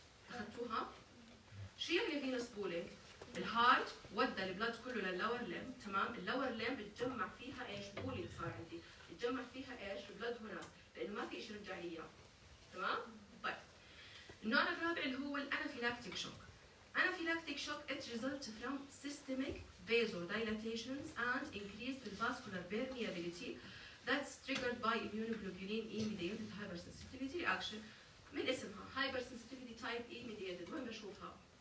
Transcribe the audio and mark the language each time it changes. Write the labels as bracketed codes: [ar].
[ar] أخذتوها؟ شو يعني فينوس بولينج؟ الهارت ودى البلد كله لللور لم تمام؟ اللور لم بتجمع فيها إيش؟ بولينج صار عندي، بتجمع فيها إيش؟ البلد هنا، لأنه ما في إشي رجع لي إياه تمام؟ طيب النوع الرابع اللي هو الأنافيلاكتيك شوك. [en] Anaphylactic shock it result from systemic vasodilation and increased vascular permeability that's triggered by immunoglobulin E mediated hypersensitivity reaction. [ar] من اسمها hypersensitivity type E mediated، وين بشوفها؟